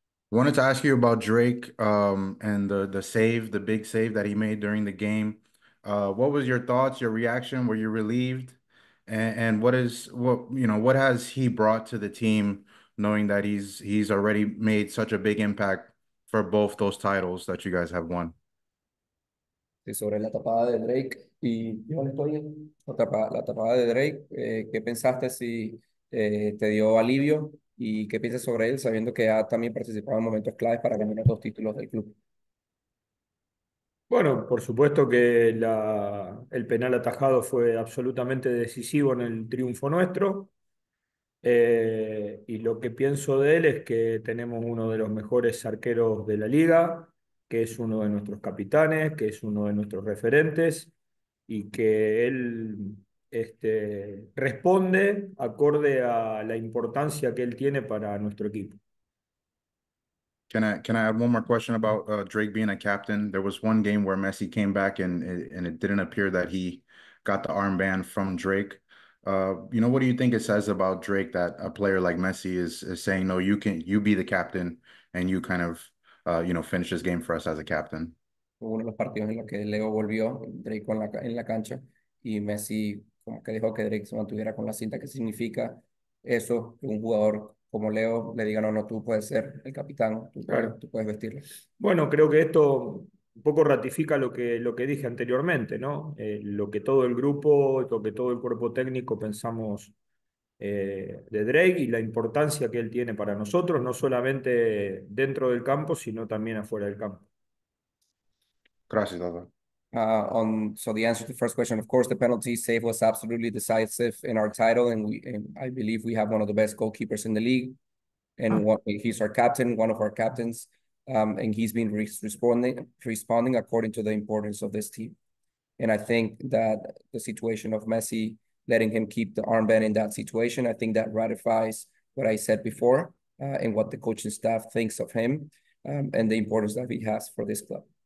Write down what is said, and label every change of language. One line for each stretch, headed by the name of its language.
English: Wanted to ask you about Drake and the big save that he made during the game. What was your thoughts, your reaction? Were you relieved? And what has he brought to the team, knowing that he's already made such a big impact for both those titles that you guys have won?
Spanish: Sí, sobre la tapada de Drake y yo estoy en la tapada de Drake. ¿Qué pensaste si te dio alivio? ¿Y qué piensas sobre él, sabiendo que ha también participado en momentos claves para ganar los dos títulos del club? Bueno, por supuesto que el penal atajado fue absolutamente decisivo en el triunfo nuestro. Y lo que pienso de él es que tenemos uno de los mejores arqueros de la liga, que es uno de nuestros capitanes, que es uno de nuestros referentes, y que él responde acorde a la importancia que él tiene para nuestro equipo.
English: Can I add one more question about Drake being a captain? There was one game where Messi came back and it didn't appear that he got the armband from Drake. What do you think it says about Drake that a player like Messi is saying, no, you be the captain and you kind of finish this game for us as a captain?
Spanish: Uno de los partidos en los que Leo volvió, Drake en la cancha, y Messi como que dijo que Drake se mantuviera con la cinta. ¿Qué significa eso? Que un jugador como Leo le diga, no, no, tú puedes ser el capitán, Claro. tú puedes vestirlo. Bueno, creo que esto un poco ratifica lo que dije anteriormente, ¿no? Lo que todo el grupo, lo que todo el cuerpo técnico pensamos de Drake y la importancia que él tiene para nosotros, no solamente dentro del campo, sino también afuera del campo. Gracias, Dado.
English: So the answer to the first question, of course, the penalty save was absolutely decisive in our title, and I believe we have one of the best goalkeepers in the league, and he's our captain, one of our captains, and he's been responding according to the importance of this team, and I think that the situation of Messi letting him keep the armband in that situation, I think that ratifies what I said before, and what the coaching staff thinks of him, and the importance that he has for this club.